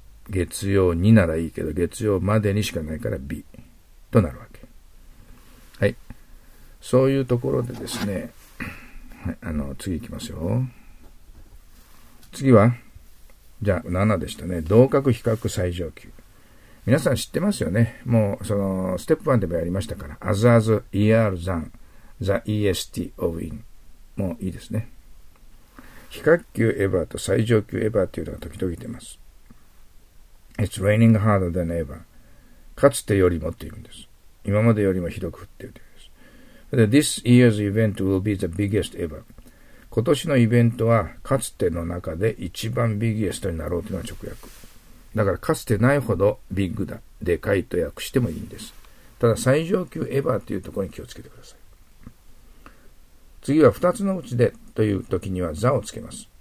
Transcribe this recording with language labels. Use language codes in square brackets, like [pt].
[ja] 月曜にならいいけど月曜までにしかないから B となるわけ。はい。そういうところでですね、はい、次行きますよ。次はじゃあ7でしたね。同格比較最上級、皆さん知ってますよね。もう、ステップ1でもやりましたから。 [en] as as, er, than, the est, of, in. [ja] もういいですね。非下級エヴァーと最上級エヴァーというのが時々出ます。 [en] It's raining harder than ever. [ja] かつてよりもという意味です。今までよりもひどく降っているという意味です。 [en] This year's event will be the biggest ever. [ja] 今年のイベントはかつての中で一番ビギエストになろうというのが直訳。だからかつてないほどビッグだ、でかいと訳してもいいんです。ただ最上級エバーというところに気をつけてください。次は2つのうちでという時にはザをつけます。